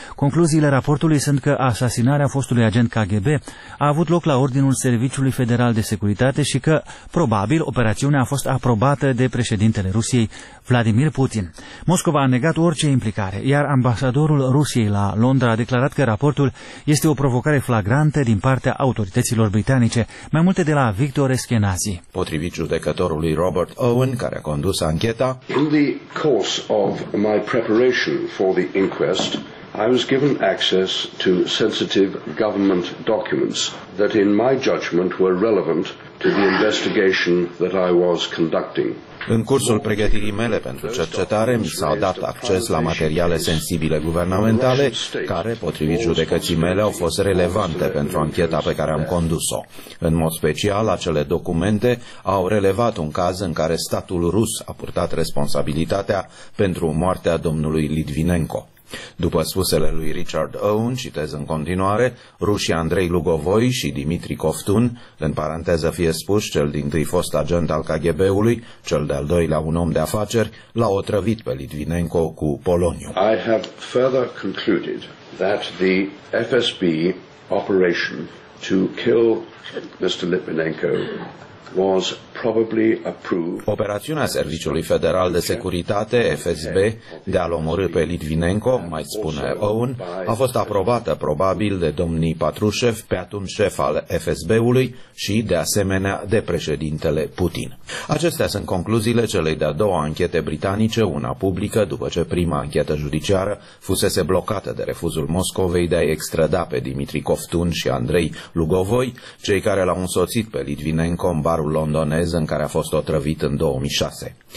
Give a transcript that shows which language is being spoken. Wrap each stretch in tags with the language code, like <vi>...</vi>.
<ro>Concluziile raportului sunt că asasinarea fostului agent KGB a avut loc la ordinul Serviciului Federal de Securitate și că, probabil, operațiunea a fost aprobată de președintele Rusiei, Vladimir Putin. Moscova a negat orice implicare, iar ambasadorul Rusiei la Londra a declarat că raportul este o provocare flagrantă din partea autorităților britanice, mai multe de la Victor Eschenazi. Potrivit judecătorului Robert Owen, care a condus ancheta,</ro> <en>in the course of my preparation for the inquest, I was given access to sensitive government documents that in my judgment were relevant to the investigation that I was conducting.</en> <ro>În cursul pregătirii mele pentru cercetare, mi s-au dat acces la materiale sensibile guvernamentale, care, potrivit judecății mele, au fost relevante pentru ancheta pe care am condus-o. În mod special, acele documente au relevat un caz în care statul rus a purtat responsabilitatea pentru moartea domnului Litvinenko. După spusele lui Richard Owen, citez în continuare, rușii Andrei Lugovoi și Dimitri Coftun, în paranteză fie spus, cel dintâi fost agent al KGB-ului, cel de-al doilea un om de afaceri, l-au otrăvit pe Litvinenko cu poloniu.</ro> <en>I have further concluded that the FSB operation to kill Mr. Litvinenko was probably approved.</en> <ro>Operațiunea Serviciului Federal de Securitate, FSB, de a-l omorâ pe Litvinenko, mai spune Owen, a fost aprobată probabil de domnii Patrușev, pe atunci șef al FSB-ului, și de asemenea de președintele Putin. Acestea sunt concluziile celei de-a doua anchete britanice, una publică, după ce prima anchetă judiciară fusese blocată de refuzul Moscovei de a extrada pe Dimitri Coftun și Andrei Lugovoi, cei care l-au însoțit pe Litvinenko în barul londonez în care a fost otrăvit în 2006.</ro>